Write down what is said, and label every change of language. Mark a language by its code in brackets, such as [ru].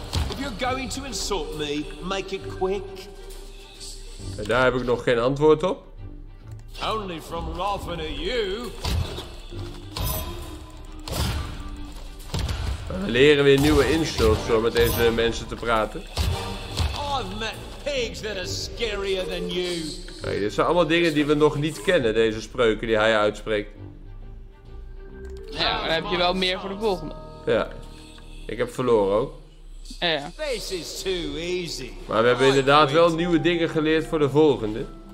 [en] If you're going to insult me, make it quick. [nl] En daar heb ik nog geen antwoord op. [en] Only from laughing at you. [nl] We leren weer nieuwe insults om met deze mensen te praten. [en] I've met pigs that are scarier than you. [nl] Kijk, dit zijn allemaal dingen die we nog niet kennen, deze spreuken die hij uitspreekt. Ja, maar dan heb je wel meer voor de volgende. Ja, ik heb verloren ook. Ja. [en] This is too easy. [nl] Maar we hebben inderdaad wel nieuwe dingen geleerd voor de volgende.